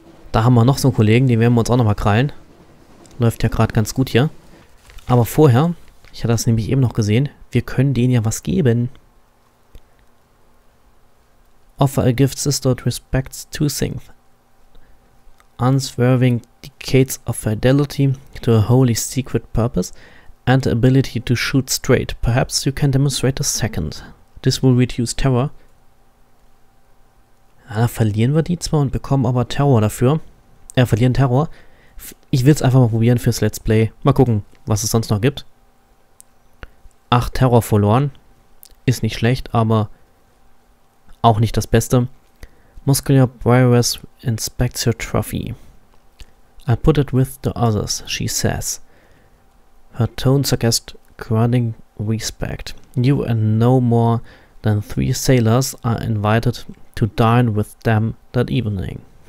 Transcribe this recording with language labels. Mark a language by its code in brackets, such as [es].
[de] Da haben wir noch so einen Kollegen, den werden wir uns auch nochmal krallen. Läuft ja gerade ganz gut hier. Aber vorher, ich hatte das nämlich eben noch gesehen, wir können denen ja was geben. [en] Offer a gift sister that respects two things. Unswerving decades of fidelity to a holy secret purpose and the ability to shoot straight. Perhaps you can demonstrate a second. This will reduce terror. [de] Ja, da verlieren wir die zwar und bekommen aber Terror dafür. Verlieren Terror. Ich will es einfach mal probieren fürs Let's Play. Mal gucken, was es sonst noch gibt. 8 Terror verloren. Ist nicht schlecht, aber auch nicht das Beste. [en] Muscular Virus inspects your trophy. I put it with the others, she says. Her tone suggests grudging respect. You and no more than 3 sailors are invited to dine with them that evening.